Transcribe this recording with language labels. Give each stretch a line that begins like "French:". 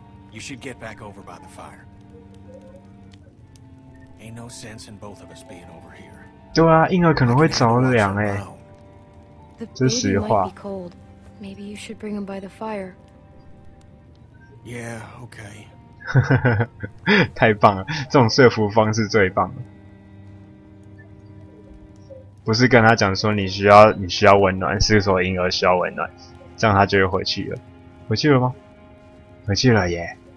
English: You should get back over by the fire. Ain't no sense in both of us being over here.
Chinese: 对啊，婴儿可能会着凉哎。
English: The baby might be cold. Maybe you should bring him by the fire. Yeah, okay.
Chinese: 太棒了，这种说服方式最棒了。不是跟他讲说你需要温暖，是说婴儿需要温暖，这样他就会回去了。回去了吗？回去了耶。